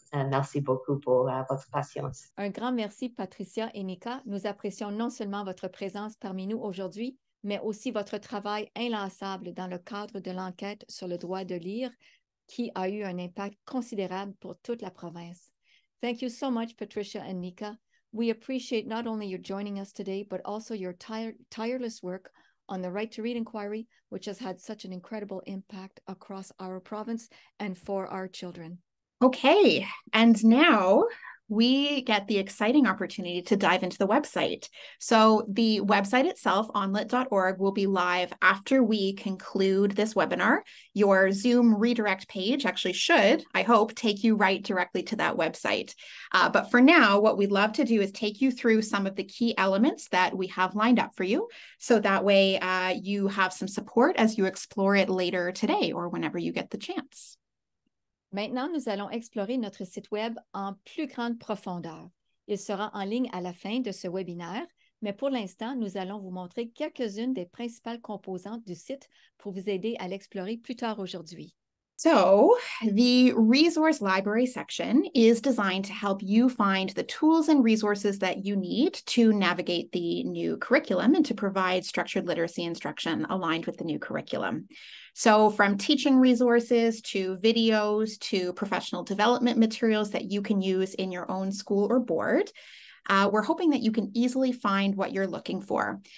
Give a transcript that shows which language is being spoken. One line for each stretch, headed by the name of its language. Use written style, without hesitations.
French: Merci beaucoup pour votre patience. Un grand merci, Patricia et Nika. Nous apprécions non seulement votre présence parmi nous aujourd'hui, mais aussi votre travail inlassable dans le cadre de l'enquête sur le droit de lire, qui a eu un impact considérable pour toute la province.
English: Thank you so much, Patricia and Nika. We appreciate not only your joining us today, but also your tireless work on the Right to Read Inquiry, which has had such an incredible impact across our province and for our children. Okay, and now we get the exciting opportunity to dive into the website. So the website itself, ONlit.org, will be live after we conclude this webinar. Your Zoom redirect page actually should, I hope, take you right directly to that website. But for now, what we'd love to do is take you through some of the key elements that we have lined up for you. So that way you have some support as you explore it later today or whenever you get the chance.
French: Maintenant, nous allons explorer notre site Web en plus grande profondeur. Il sera en ligne à la fin de ce webinaire, mais pour l'instant, nous allons vous montrer quelques-unes des principales composantes du site pour vous aider à l'explorer plus tard aujourd'hui.
English: So, the resource library section is designed to help you find the tools and resources that you need to navigate the new curriculum and to provide structured literacy instruction aligned with the new curriculum. So, from teaching resources to videos to professional development materials that you can use in your own school or board, we're hoping that you can easily find what you're looking for.